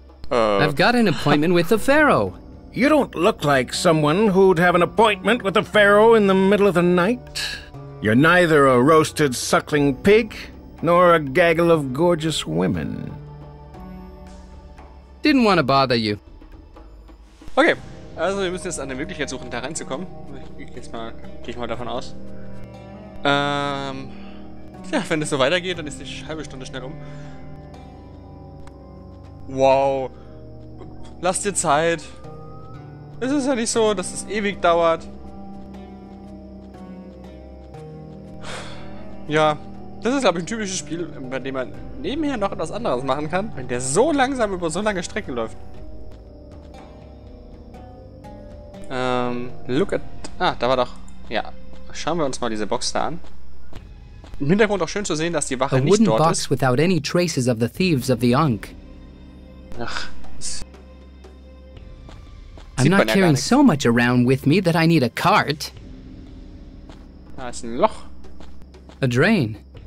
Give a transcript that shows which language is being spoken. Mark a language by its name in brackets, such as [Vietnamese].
[English] I've got an appointment with the Pharaoh. You don't look like someone who'd have an appointment with the Pharaoh in the middle of the night. You're neither a roasted suckling pig, nor a gaggle of gorgeous women. Didn't want to bother you. Okay. [German] Also, wir müssen jetzt eine Möglichkeit suchen, da reinzukommen. Gehe ich mal davon aus. Tja, wenn es so weitergeht, dann ist die halbe Stunde schnell um. Wow. Lass dir Zeit. Es ist ja nicht so, dass es ewig dauert. Ja, das ist, glaube ich, ein typisches Spiel, bei dem man nebenher noch etwas anderes machen kann, wenn der so langsam über so lange Strecken läuft. Da war doch. Ja. Schauen wir uns mal diese Box da an. Im Hintergrund auch schön zu sehen, dass die Wache nicht dort ist. [English] Without any traces of the thieves of the Ankh. [German] Ach. [English] I'm not carrying so much around with me that I need a cart. [German] Da ist ein Loch. [English] A drain.